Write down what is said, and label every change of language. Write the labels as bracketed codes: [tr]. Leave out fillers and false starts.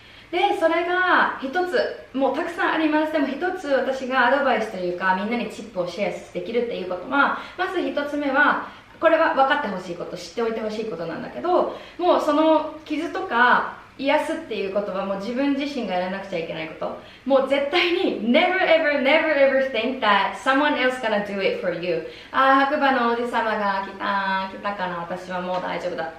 [ja] でそれが一つ、もうたくさんあります。でも一つ私がアドバイスというかみんなにチップをシェアできるっていうことは、まず一つ目はこれは分かってほしいこと、知っておいてほしいことなんだけど、もうその傷とか癒すっていうことはもう自分自身がやらなくちゃいけないこと。もう絶対に [en] Never ever never ever think that someone else gonna do it for you。 [ja] あー、白馬の王子様が来た、来たかな、私はもう大丈夫だ。